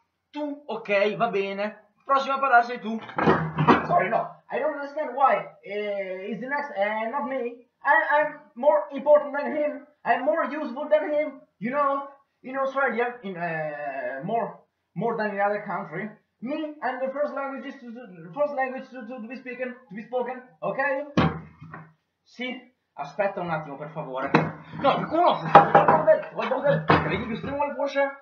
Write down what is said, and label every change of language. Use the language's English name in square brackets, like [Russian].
[Italian] Tu, ok, va bene. Prossimo a parlare sei tu. [English] Sorry, no. I don't understand why is the next not me. I'm more important than him. I'm more useful than him. You know, in Australia, in more than in other country. Me and the first language to be spoken. Okay? [Italian] Sì. Aspetta un attimo, per favore. No, mi conosce. Vedi che stiamo al posto.